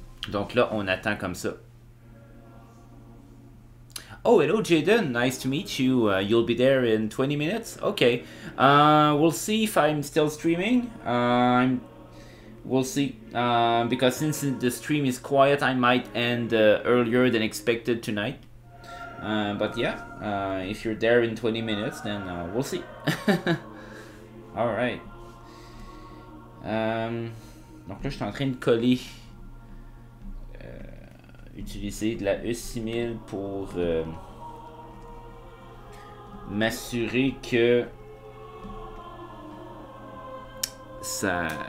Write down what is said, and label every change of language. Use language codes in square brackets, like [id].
[fr] Donc là, on attend comme ça. [en] Oh, hello, Jaden. Nice to meet you. You'll be there in 20 minutes. Okay. We'll see if I'm still streaming. We'll see, because since the stream is quiet, I might end earlier than expected tonight. But yeah, if you're there in 20 minutes, then we'll see. Alright. [fr] Donc là, je suis en train de coller, utiliser de la E6000 pour m'assurer que ça...